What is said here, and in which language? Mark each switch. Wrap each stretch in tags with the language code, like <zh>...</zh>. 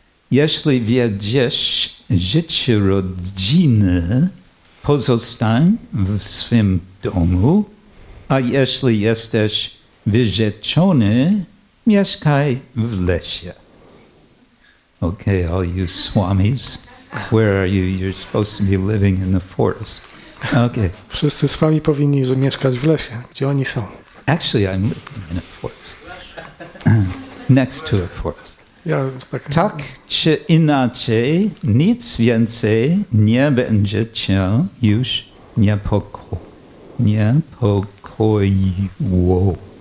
<pl>Jeśli wiedziesz życie rodziny, pozostań w swym domu, a jeśli jesteś wyrzeczony, mieszkaj w lesie.</pl> <en>Okay, all you swamis. Where are you? You're supposed to be living in the forest. Okay.</en> <pl>Wszyscy z wami powinni mieszkać w lesie. Gdzie oni są?</pl> <en>Actually, I'm living in a forest. Next to a forest.</en> <pl>Ja, tak czy inaczej, nic więcej nie będzie cię już niepokoiło.</pl>